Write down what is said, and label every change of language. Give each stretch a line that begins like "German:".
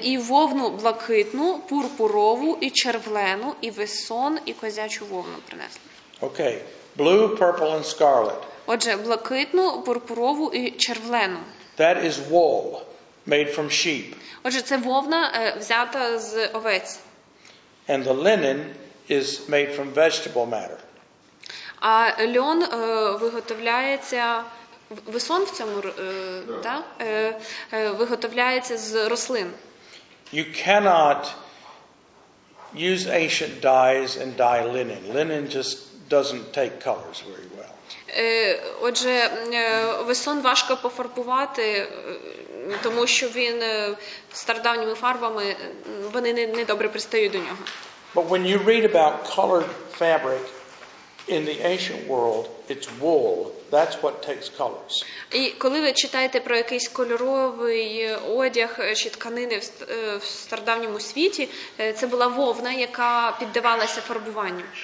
Ukrainian: І вовну блакитну, пурпурову і червлену, і весон, і козячу вовну принесли.
English: Okay. Blue, purple and scarlet.
Ukrainian: Отже, блакитну, пурпурову і червлену.
English: That is wool made from sheep.
Ukrainian: Отже, це вовна, взята з овець.
English: And the linen is made from vegetable matter.
Ukrainian: А льон виготовляється Весон в цьому, так? Виготовляється з рослин.
English: You cannot use ancient dyes and dye linen. Linen just doesn't take colors very well.
Ukrainian: Отже, весон важко пофарбувати, тому що він стародавніми фарбами вони не добре пристають до нього.
English: But when you read about colored fabric in the ancient world, it's wool. That's what takes colors.
Ukrainian: І коли ви читаєте про якийсь кольоровий одяг чи тканини в стародавньому світі, це була вовна, яка піддавалася фарбуванню.